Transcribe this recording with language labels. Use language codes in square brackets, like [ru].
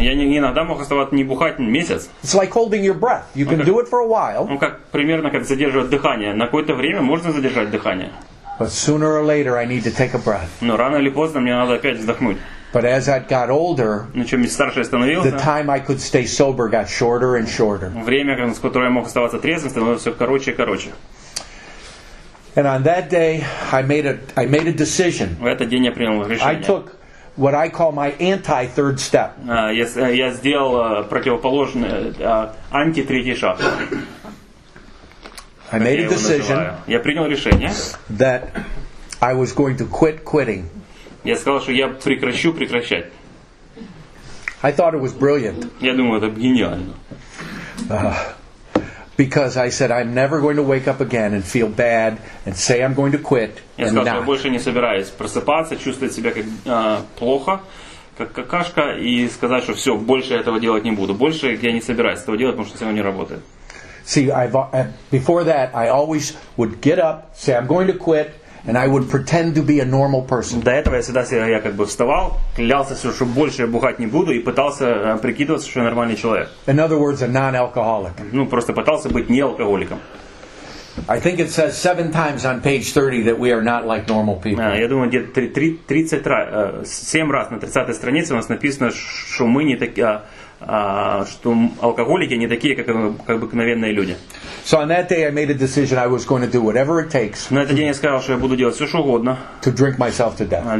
[ru] Я иногда мог оставаться не бухать месяц. [en] It's like holding your breath. You can do it for a while. [ru] Как примерно как задерживать дыхание. На какое-то время можно задержать дыхание. [en] But sooner or later, I need to take a breath. [ru] Но рано или поздно мне надо опять вздохнуть. [en] But as I got older, the time I could stay sober got shorter and shorter. [ru] Время, с которого я мог оставаться трезвым, становилось все короче и короче. [en] And on that day, I made a decision. [ru] В этот день я принял решение. [en] I took what I call my anti third step. [ru] Я сделал противоположный анти третий шаг. [en] I made a decision. [ru] Я принял решение. [en] That I was going to quit quitting. [ru] Я сказал, что я прекращу прекращать. [en] I thought it was brilliant. [ru] Я думаю, это гениально. [en] Because I said I'm never going to wake up again and feel bad and say I'm going to quit. [ru] Я сказал, что я больше не собираюсь просыпаться, чувствовать себя как плохо, как какашка, и сказать, что все, больше этого делать не буду. Больше я не собираюсь этого делать, потому что сегодня не работает. [en] See, before that, I always would get up, say I'm going to quit. And I would pretend to be a normal person. [ru] До этого я всегда я как бы вставал, клялся, что больше я бухать не буду, и пытался прикидываться, что я нормальный человек. [en] In other words, a non-alcoholic. [ru] Ну просто пытался быть не алкоголиком. [en] I think it says 7 times on page 30 that we are not like normal people. [ru] Я думаю, где-то 7 раз на 30-й странице у нас написано, что мы не такие. Что алкоголики не такие, как обыкновенные люди. [en] So on that day I made a decision I was going to do whatever it takes. [ru] На этот день я сказал, что я буду делать все, что угодно. [en] To drink myself to death.